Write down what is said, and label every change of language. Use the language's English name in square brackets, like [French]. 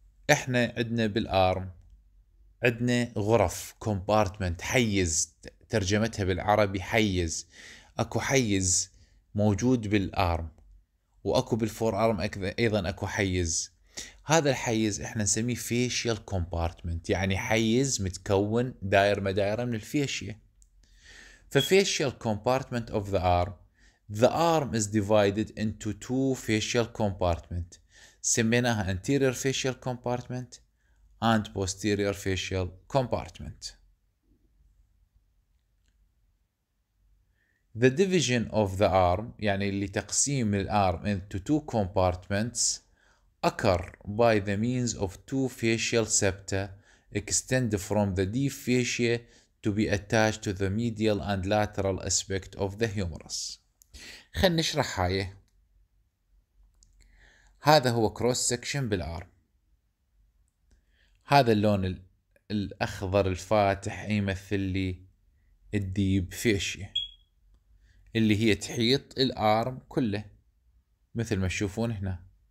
[Arabic] احنا عندنا بالارم عندنا غرف كومبارتمنت، حيز، ترجمتها بالعربي حيز، اكو حيز موجود بالارم واكو بالفور ارم ايضا اكو حيز. هذا الحيز احنا نسميه فيشيال كومبارتمنت، يعني حيز متكون دائره مدائره من الفيشيا. [English] facial compartment of the arm. The arm is divided into two facial compartments. [Arabic] سميناها [English] anterior facial compartment and posterior facial compartment. The division of the arm, [Arabic] يعني اللي تقسيم الarm [English] into two compartments, occur by the means of two facial septa extend from the deep fascia to be attached to the medial and lateral aspect of the humerus. [Arabic] خلنا نشرح هاي. هذا هو cross section بالarm. هذا اللون الأخضر الفاتح يمثل لي الديب فيشيه اللي هي تحيط الارم كله مثل ما تشوفون هنا.